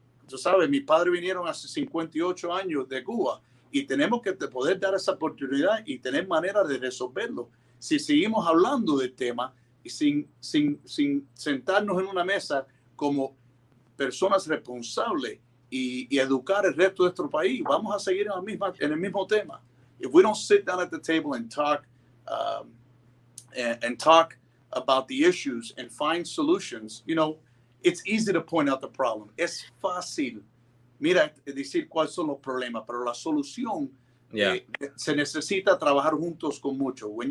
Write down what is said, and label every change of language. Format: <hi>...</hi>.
<es>Tú sabes, mis padres vinieron hace 58 años de Cuba y tenemos que poder dar esa oportunidad y tener manera de resolverlo. Si seguimos hablando del tema y sin sentarnos en una mesa como personas responsables y educar el resto de nuestro país, vamos a seguir en la misma, en el mismo tema.</es> <en>If we don't sit down at the table and talk and talk about the issues and find solutions, you know, it's easy to point out the problem.</en> <es>Es fácil, mira, decir cuáles son los problemas, pero la solución, se necesita trabajar juntos con mucho.</es>